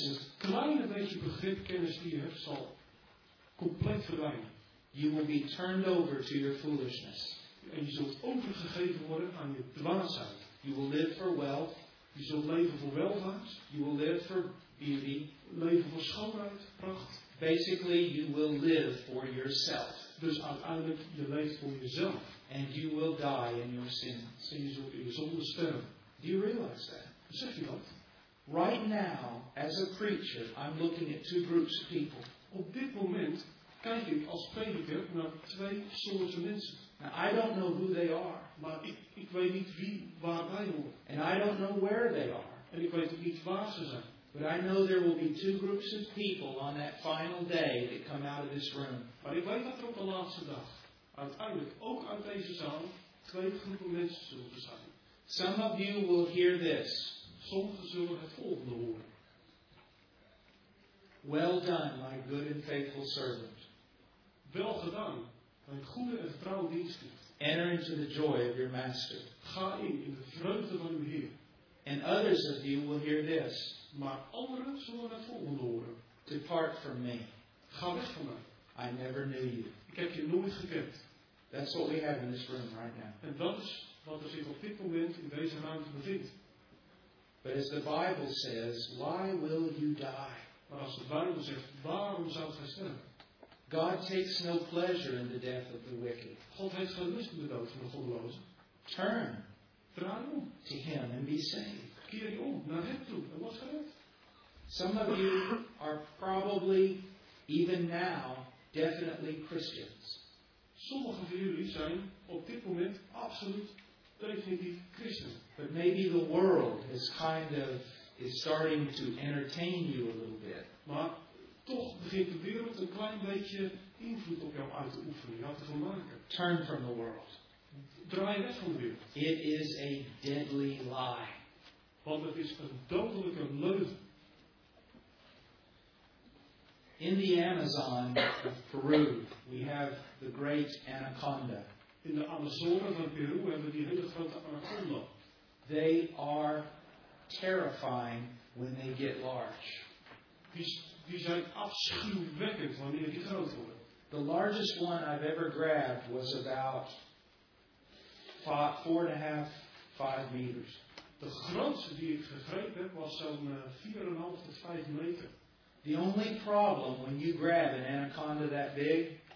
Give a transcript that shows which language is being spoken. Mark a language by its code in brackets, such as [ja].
[nl] Het kleine beetje begrip kennis die je hebt zal compleet verdwijnen. [en] You will be turned over to your foolishness. [nl] En je zult overgegeven worden aan je dwaasheid. [en] You will live for wealth. [nl] Je zult leven voor welvaart. [en] You will live for beauty. [nl] Leven voor schoonheid, pracht. [en] Basically, you will live for yourself. [nl] Dus uiteindelijk, je leeft voor jezelf. [en] And you will die in your sins. [nl] En je zult in je zonde sterven. [en] Do you realize that? [nl] Zeg je dat? [en] Right now, as a preacher, I'm looking at two groups of people. [nl] Op dit moment kijk ik als prediker naar twee soorten mensen. [en] Now, I don't know who they are. [nl] Maar ik weet niet wie waar wij horen. [en] And I don't know where they are. [nl] En ik weet ook niet waar ze zijn. [en] But I know there will be two groups of people on that final day that come out of this room. [nl] Maar ik weet dat er op de laatste dag. Uiteindelijk ook uit deze zaal twee groepen mensen zullen zijn. [en] Some of you will hear this. [nl] Sommigen zullen het volgende horen. [en] Well done, my good and faithful servant. [nl] Wel gedaan, mijn goede en vertrouwde dienstknecht. [en] Enter into the joy of your master. [nl] Ga in de vreugde van uw Heer. [en] And others of you will hear this. [nl] Maar anderen zullen het volgende horen. [en] Depart from me. [nl] Ga weg van mij. [en] I never knew you. [nl] Ik heb je nooit gekend. [en] That's what we have in this room right now. [nl] En dat is wat er zich op dit moment in deze ruimte bevindt. [en] But as the Bible says, why will you die? [nl] Maar als de Bijbel zegt, waarom zou gij sterven? [en] God takes no pleasure in the death of the wicked. [nl] God heeft geen lust in de dood van de goddelozen. [en] Turn. [nl] Draai om. [en] To him and be saved. [nl] Keer je om naar hem toe en word gered. [en] Some of you are probably, even now, definitely Christians. [nl] Sommigen van jullie zijn op dit moment absoluut definitief christen. [en] But maybe the world is kind of is starting to entertain you a little bit. [nl] Maar toch begint de wereld een klein beetje invloed op jou uit te oefenen, jou te vermaken. [en] Turn from the world. [nl] Draai weg van de wereld. [en] It is a deadly lie. [nl] Want het is een dodelijke leugen. [en] In the Amazon of Peru, we have the great anaconda. [nl] In de Amazone van Peru hebben we die hele grote anaconda. [en] They are terrifying when they get large. [nl] Die zijn afschuwwekkend wanneer die groot worden. [en] The largest one I've ever grabbed was about 4.5 to 5 meters. [nl] De grootste die ik gegrepen heb was zo'n 4.5 tot 5 meter. [en] The only problem when you grab an anaconda that big,